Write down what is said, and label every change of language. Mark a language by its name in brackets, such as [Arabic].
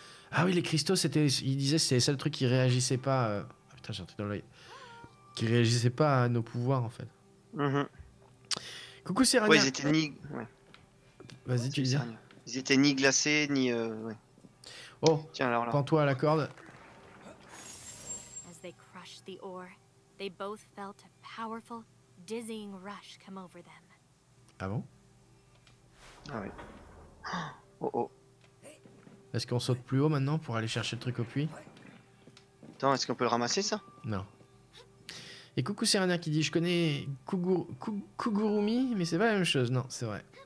[French] Ah oui, les cristaux, c'était, il disait que c'était le seul truc qui réagissait pas. Ah, putain, j'ai un truc dans l'œil. Qui réagissait pas à nos pouvoirs, en fait. Mm-hmm. Coucou, c'est ouais, ils étaient ni. Ouais. Vas-y, ouais, tu disais. Ils étaient ni glacés, ni. Ouais. Oh, tiens, alors là. Prends-toi à la corde. [English] As they crushed the ore, they both felt a powerful, dizzying rush come over them. [French] Ah bon? Ah oui. Oh oh. Est-ce qu'on saute plus haut maintenant pour aller chercher le truc au puits? Attends, est-ce qu'on peut le ramasser ça? Non. Et coucou Serena qui dit, je connais Kugurumi, mais c'est pas la même chose. Non, c'est vrai.